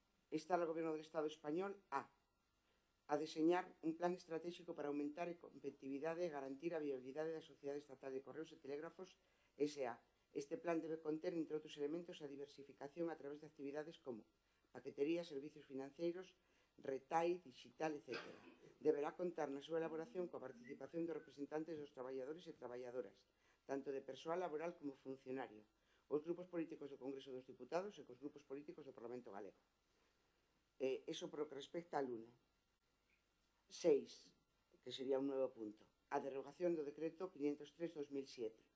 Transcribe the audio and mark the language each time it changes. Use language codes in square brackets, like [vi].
[es] Está el Gobierno del Estado español a diseñar un plan estratégico para aumentar la competitividad y garantir la viabilidad de la Sociedad Estatal de Correos y Telégrafos S.A. [gl] Este plan debe conter, entre otros elementos, a diversificación a través de actividades como paquetería, servicios financieros, retail, digital, etc. Deberá contar na súa elaboración coa participación de representantes dos traballadores e traballadoras, tanto de persoal laboral como funcionario, os grupos políticos do Congreso dos Diputados e cos grupos políticos do Parlamento Galego. [es] Eso por lo que respecta al 1. 6, que sería un nuevo punto, [gl] a derogación do decreto 503/2007.